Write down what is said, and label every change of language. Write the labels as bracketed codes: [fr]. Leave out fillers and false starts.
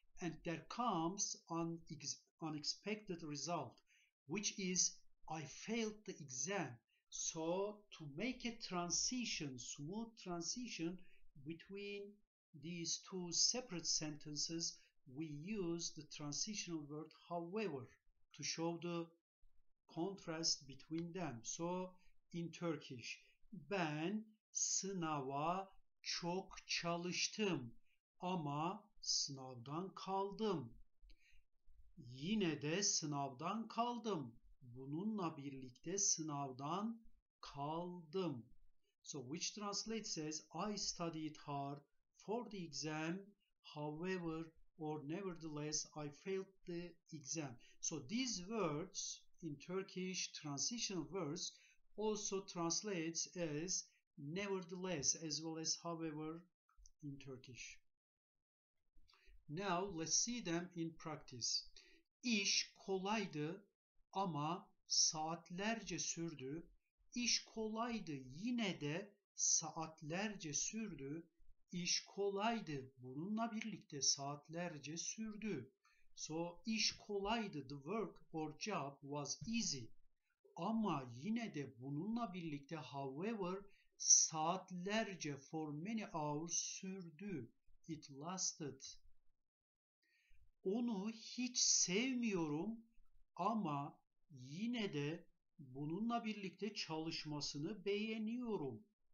[en] And there comes an unexpected result, which is I failed the exam. So, to make a transition, smooth transition between these two separate sentences, we use the transitional word however to show the contrast between them. So, in Turkish, [tr] ben sınava çok çalıştım ama sınavdan kaldım. Yine de sınavdan kaldım. Bununla birlikte sınavdan kaldım. [en] So which translates as I studied hard for the exam, however or nevertheless I failed the exam. So these words in Turkish transitional words also translates as nevertheless as well as however in Turkish. Now let's see them in practice. [tr] İş kolaydı ama saatlerce sürdü. İş kolaydı, yine de saatlerce sürdü. İş kolaydı, bununla birlikte saatlerce sürdü. [en] So, [tr] iş kolaydı, [en] the work or job was easy. [tr] Ama yine de bununla birlikte, [en] however, [tr] saatlerce, [en] for many hours [tr] sürdü. [en] It lasted. [tr] Onu hiç sevmiyorum ama yine de bununla birlikte çalışmasını beğeniyorum.